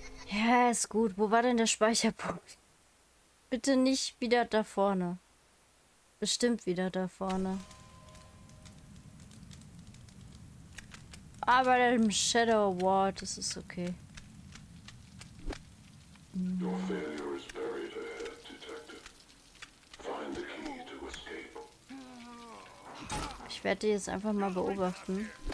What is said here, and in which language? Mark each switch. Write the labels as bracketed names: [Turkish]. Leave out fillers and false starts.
[German] Ja, ist gut. Wo war denn der Speicherpunkt? Bitte nicht wieder da vorne. Bestimmt wieder da vorne. Aber im Shadow Ward, das ist okay. [English] Your failure is buried ahead, Detective. Find the key to escape. [German] Ich werde dich jetzt einfach mal beobachten.